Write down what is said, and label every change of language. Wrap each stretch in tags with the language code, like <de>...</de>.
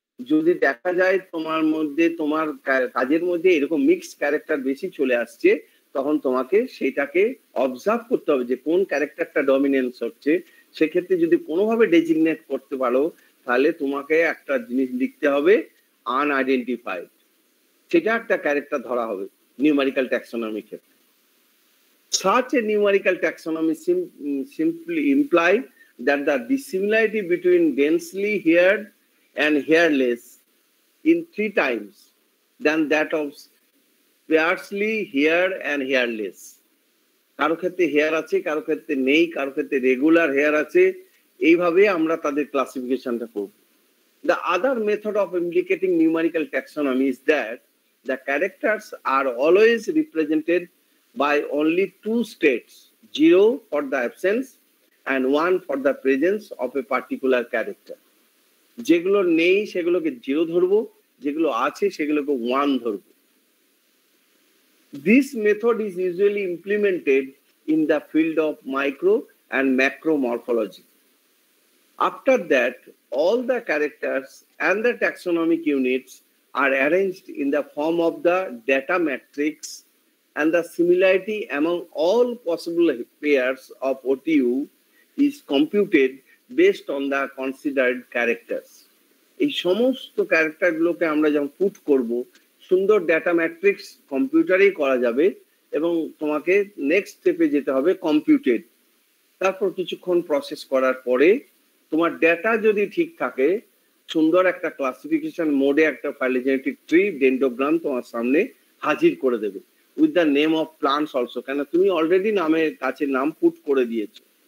<bn>যদি দেখা যায় তোমার মধ্যে তোমার কাজের মধ্যে এরকম মিক্স ক্যারেক্টার বেশি চলে আসছে তখন তোমাকে সেটাকে অবজার্ভ করতে হবে যে কোন ক্যারেক্টারটা ডমিনেন্স হচ্ছে, সেক্ষেত্রে যদি কোনোভাবে ডেজিগনেট করতে পারো তাহলে তোমাকে একটা জিনিস লিখতে হবে আনআইডেন্টিফাইড, সেটা একটা ক্যারেক্টার ধরা হবে নিউমেরিক্যাল ট্যাক্সোনমি ক্ষেত্রে।</bn> <en>Such a numerical taxonomy simply imply that the dissimilarity between densely haired and hairless in three times than that of sparsely haired and hairless.</en> <bn>কারো ক্ষেত্রে হেয়ার আছে, কারো ক্ষেত্রে নেই, কারো ক্ষেত্রে রেগুলার হেয়ার আছে, এইভাবে আমরা তাদের ক্লাসিফিকেশনটা করব।</bn> <en>The other method of implicating numerical taxonomy is that the characters are always represented by only two states, zero for the absence and one for the presence of a particular character.</en> <bn>যেগুলো নেই সেগুলোকে zero ধরবো, যেগুলো আছে সেগুলোকে one ধরবো।</bn> <en>This method is usually implemented in the field of micro and macro morphology. After that, all the characters and the taxonomic units are arranged in the form of the data matrix and the similarity among all possible pairs of OTU is computed based on the considered characters.</en> <bn>এই সমস্ত ক্যারেক্টারগুলোকে আমরা যখন put করব সুন্দর data matrix কম্পিউটারেই করা যাবে এবং তোমাকে নেক্সট স্টেপে যেতে হবে কম্পিউটেড। তারপর কিছুক্ষণ প্রসেস করার পরে তোমার ডেটা যদি ঠিক থাকে সুন্দর একটা ক্লাসিফিকেশন মোডে একটা ফাইলোজেনেটিক ট্রি ডেন্ডোগ্রাম তোমার সামনে হাজির করে দেবে</bn> <en>with the name of plants also,</en> <bn>কেন তুমি অলরেডি নামে কাছে নাম পুট করে দিয়েছো।</bn>